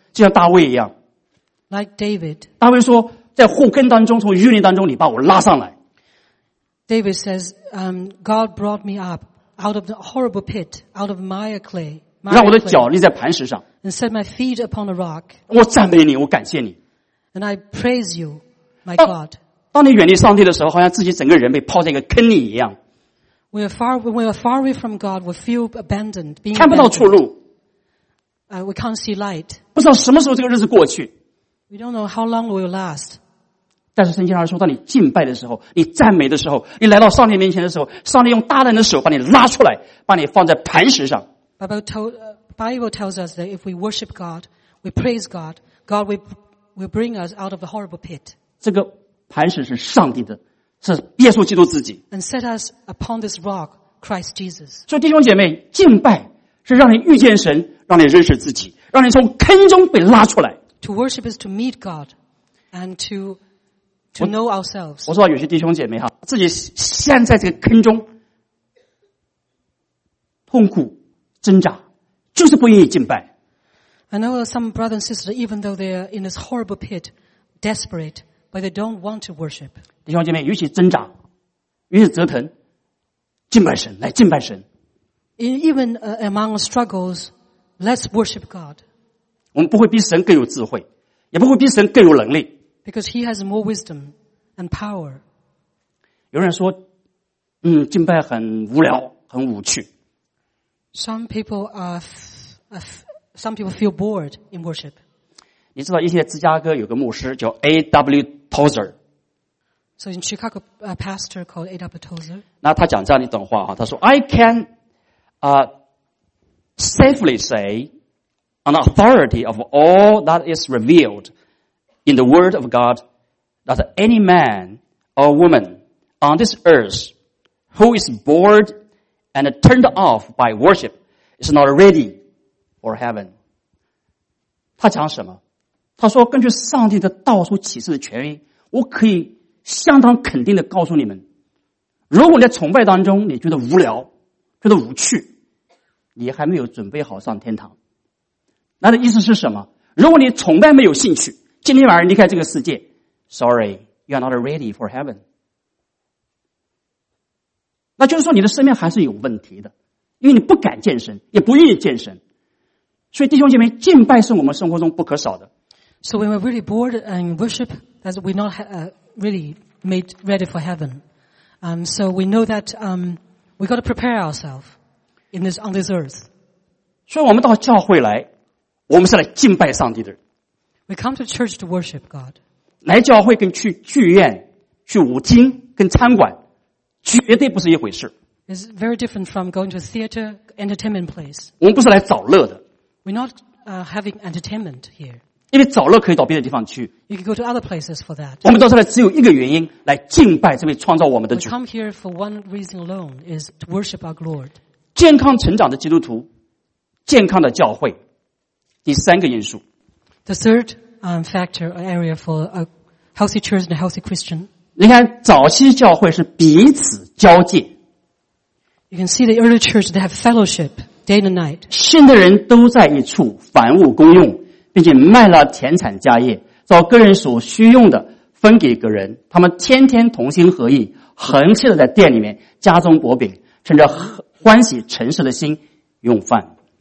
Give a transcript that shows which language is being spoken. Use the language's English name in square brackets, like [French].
[Chinese] 就像大卫一样。 [English] Like David. [Chinese] 大卫说，在祸根当中，从淤泥当中，你把我拉上来。 [English] David says, God brought me up out of the horrible pit, out of mire clay. [Chinese] 让我的脚立在磐石上。 [English] And set my feet upon a rock. [Chinese] 我赞美你，我感谢你。 [English] And I praise you, my God. [Chinese] 当你远离上帝的时候，好像自己整个人被抛在一个坑里一样。 [English] When we are far away from God, we feel abandoned, being [Chinese] 看不到出路。 [English] We can't see light. [Chinese] 不知道什么时候这个日子过去。 [English] We don't know how long will last. [Chinese] 但是圣经上说，当你敬拜的时候，你赞美的时候，你来到上帝面前的时候，上帝用大能的手把你拉出来，把你放在磐石上。 [English] Bible tells us that if we worship God, we praise God, God will bring us out of the horrible pit. [Chinese] 这个磐石是上帝的，是耶稣基督自己。 [English] And set us upon this rock, Christ Jesus. [Chinese] 所以弟兄姐妹，敬拜是让你遇见神，让你认识自己，让你从坑中被拉出来。 [English] To worship is to meet God and to know ourselves. [Chinese] 我知道有些弟兄姐妹哈，自己陷在这个坑中，痛苦挣扎，就是不愿意敬拜。 [English] I know some brothers and sisters, even though they are in this horrible pit, desperate, but they don't want to worship. [Chinese] 弟兄姐妹，与其挣扎，与其折腾，敬拜神，来敬拜神。 [English] Even among struggles, let's worship God. [Chinese] 我们不会比神更有智慧，也不会比神更有能力。 [English] Because he has more wisdom and power. [Chinese] 有人说，敬拜很无聊，很无趣。 [English] Some people feel bored in worship. [Chinese] 你知道，一些芝加哥有个牧师叫 A.W. [English] Tozer. So in Chicago, a pastor called A.W. Tozer. [Chinese] 那他讲这样一段话啊，他说 ， [English] I can, safely say. On the authority of all that is revealed in the Word of God, that any man or woman on this earth who is bored and turned off by worship is not ready for heaven. [Chinese] 他讲什么？他说，根据上帝的道书启示的权威，我可以相当肯定的告诉你们，如果你在崇拜当中你觉得无聊，觉得无趣，你还没有准备好上天堂。那的意思是什么？如果你崇拜没有兴趣，今天晚上离开这个世界 ， [English] Sorry, you are not ready for heaven。 [Chinese] 那就是说你的生命还是有问题的，因为你不敢见神，也不愿意见神。所以弟兄姐妹，敬拜是我们生活中不可少的。 [English] So when we're really bored and worship, that we're not really made ready for heaven. So we know that we got to prepare ourselves in this on this earth. [Chinese] 所以我们到教会来。我们是来敬拜上帝的人。 [English] We come to church to worship God. [Chinese] 来教会跟去剧院、去舞厅、跟餐馆，绝对不是一回事。 [English] It's very different from going to a theater, entertainment place. [Chinese] 我们不是来找乐的。 [English] We're not having entertainment here. [Chinese] 因为找了可以到别的地方去。 [English] You can go to other places for that. [Chinese] 我们到这来只有一个原因，来敬拜这位创造我们的主。 [English] We come here for one reason alone, is to worship our Lord. [Chinese] 健康成长的基督徒，健康的教会，第三个因素。 [English] The third factor or area for a healthy church and a healthy Christian. [Chinese] 你看早期教会是彼此交界。 [English] You can see the early church, they have fellowship day and night. [Chinese] 信的人都在一处，凡物公用。并且卖了田产家业，照个人所需用的分给个人。他们天天同心合意，恒切的在店里面家中薄饼，趁着欢喜诚实的心用饭。